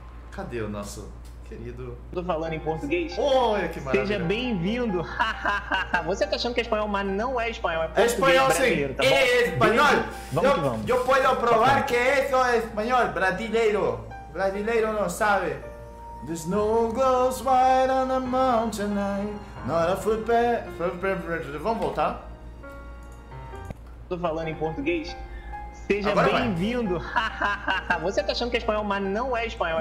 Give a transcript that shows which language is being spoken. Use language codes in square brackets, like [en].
[pt] Cadê o nosso querido... Tô falando em português. Olha que maravilha. Seja bem-vindo. Você tá achando que é espanhol, mas não é espanhol. É espanhol, sim. Tá, é espanhol. Vamos. Eu posso provar que isso é espanhol brasileiro. Brasileiro não sabe. [en] The snow glows white on the mountain tonight. Not a flipper. [pt] Vamos voltar? Tô falando em português. Seja agora bem-vindo. Você tá achando que é espanhol, mas não é espanhol.